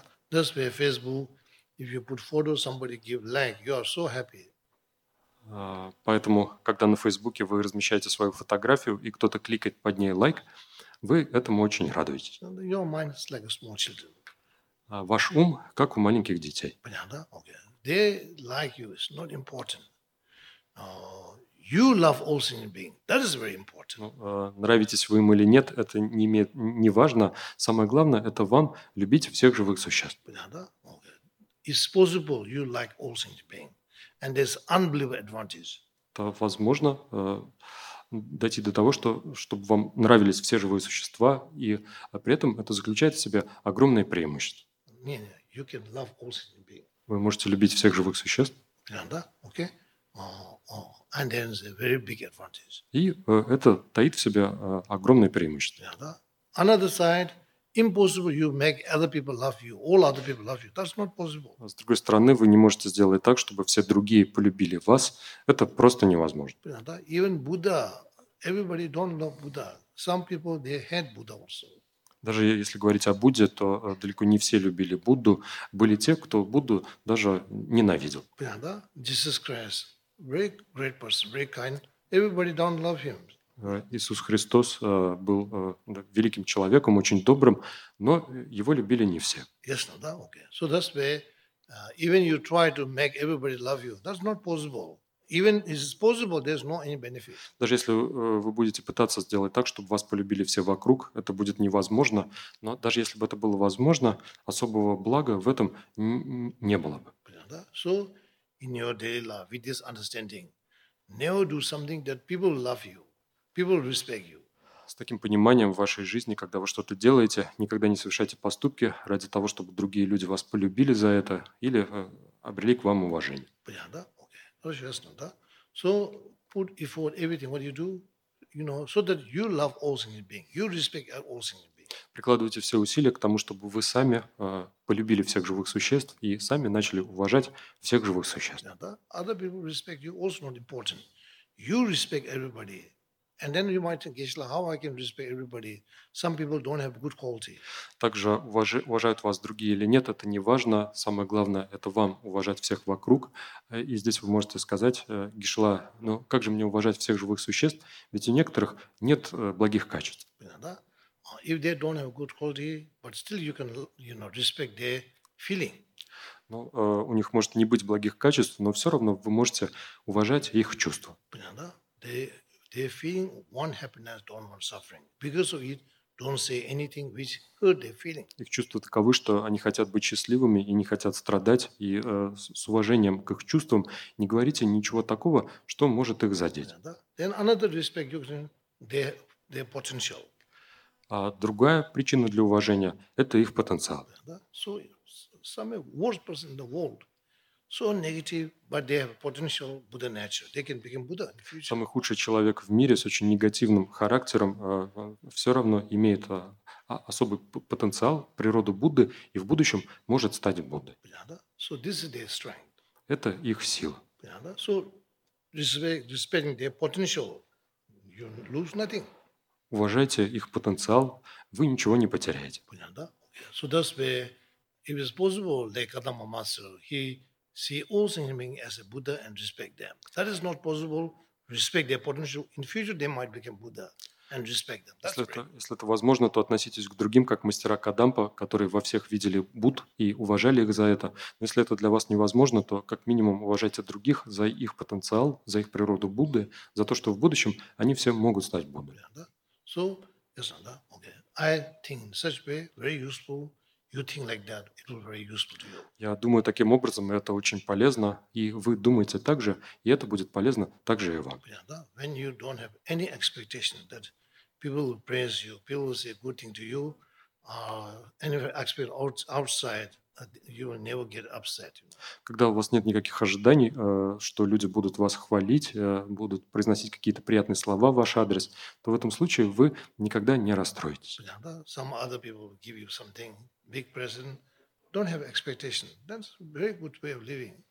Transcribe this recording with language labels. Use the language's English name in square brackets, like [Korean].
[English] That's where Facebook, if you put photo, somebody give like, you are so happy. [Russian] Поэтому, когда на Фейсбуке вы размещаете свою фотографию и кто-то кликает под ней лайк, вы этому очень радуетесь. [English] Your mind is like a small children. [Russian] Ваш ум как у маленьких детей. Понятно? [English] Okay. They like you. It's not important. You love all single beings. That is very important. [Russian] Нравитесь вы им или нет, это не важно. Самое главное – это вам любить всех живых существ. Понятно? [English] Okay. It's possible you like all single beings. And there's unbelievable advantage. [Russian] Это возможно дойти до того, чтобы вам нравились все живые существа, и при этом это заключает в себе огромное преимущество. Не, [English] you can love all single beings. [Russian] Вы можете любить всех живых существ. Понятно? [English] Okay. And then a very big advantage. [Russian] И это таит в себе огромное преимущество. [English] Yeah, [Russian] да? [English] Another side, impossible you make other people love you, all other people love you. That's not possible. [Russian] С другой стороны, вы не можете сделать так, чтобы все другие полюбили вас. Это просто невозможно. [English] Even Buddha, everybody don't love Buddha. Some people they hate Buddha also. [Russian] Даже если говорить о Будде, то далеко не все любили Будду. Были те, кто Будду даже ненавидел. [English] Jesus Christ, very great person, very kind. Everybody don't love him. [Russian] Иисус Христос был великим человеком, очень добрым, но его любили не все. [English] Yes, no, that, okay. So that's why even you try to make everybody love you, that's not possible. Even if it's possible, there's not any benefit. [Russian] Даже если вы будете пытаться сделать так, чтобы вас полюбили все вокруг, это будет невозможно. Но даже если бы это было возможно, особого блага в этом не было бы. [English] So in your daily life, with this understanding, never do something that people love you. People respect you. [Russian] С таким пониманием в вашей жизни, когда вы что-то делаете, никогда не совершайте поступки ради того, чтобы другие люди вас полюбили за это или обрели к вам уважение. Понятно? Окей. Хорошо, ясно, да? [English] So put effort everything what you do, you know, so that you love all things being. You respect all things being. [Russian] Прикладывайте все усилия к тому, чтобы вы сами полюбили всех живых существ и сами начали уважать всех живых существ. Да? [English] Other people respect you also not important. You respect everybody. And then you might think, Geshe-la, how I can respect everybody? Some people don't have good quality. [Russian] Также уважают вас другие или нет, это не важно. Самое главное – это вам уважать всех вокруг. И здесь вы можете сказать, Geshe-la, ну как же мне уважать всех живых существ? Ведь у некоторых нет благих качеств. [English] If they don't have good quality, but still you can, you know, respect their feeling. [Russian] Ну, у них может не быть благих качеств, но все равно вы можете уважать их чувства. Понятно? [English] They feeling one happiness, don't want suffering. Because of it, don't say anything which hurt their feeling. [Russian] Их чувства таковы, что они хотят быть счастливыми и не хотят страдать. И с уважением к их чувствам не говорите ничего такого, что может их задеть. [English] Then another respect you can their potential. [Russian] А другая причина для уважения – это их потенциал. [English] So some worst person in the world. So negative, but they have potential Buddha nature. They can become Buddha in the future. [Russian] Самый худший человек в мире с очень негативным характером все равно имеет особый потенциал, природу Будды, и в будущем может стать Буддой. [English] So this is their strength. [Russian] Это их сила. [English] So respecting their potential, you lose nothing. [Russian] Уважайте их потенциал, вы ничего не потеряете. [English] So that's where it is possible, like Gautama Master, he see all sentient beings as a Buddha and respect them. That is not possible. Respect their potential. In future, they might become Buddha and respect them. [Russian] Если это, возможно, то относитесь к другим как мастера Кадампа, которые во всех видели Будд и уважали их за это. Но если это для вас невозможно, то как минимум уважайте других за их потенциал, за их природу Будды, за то, что в будущем они все могут стать Буддой. [English] So, yes, no, okay. I think in such way very useful. You think like that, it will be very useful to you. [Russian] Я думаю таким образом, это очень полезно, и вы думаете так же, и это будет полезно также и вам. [English] When you don't have any expectation that people will praise you, people will say good thing to you, any expect outside, you will never get upset. [Russian] Когда у вас нет никаких ожиданий, что люди будут вас хвалить, будут произносить какие-то приятные слова в ваш адрес, то в этом случае вы никогда не расстроитесь. [English] Some other people will give you something. Big present, don't have expectation. That's a very good way of living.